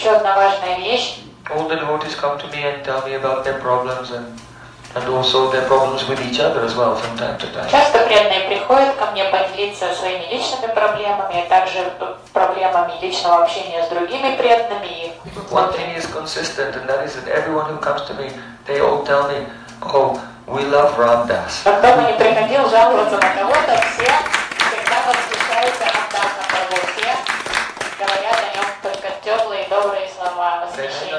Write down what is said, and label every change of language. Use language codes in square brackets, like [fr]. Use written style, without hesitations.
[en] All the devotees come to me and tell me about their problems and also their problems with each other as well from time to time. [ru] Часто преданные приходят ко мне поделиться своими личными проблемами, а также проблемами личного общения с другими преданными. [en] One thing is consistent, and that is that everyone who comes to me, they all tell me, "Oh, we love Ram Dass." [ru] Когда бы ни приходил жаловаться на кого-то, все всегда восхищаются Ram Dass на кого, все говорят о нем только теплые и добрые слова восхищения.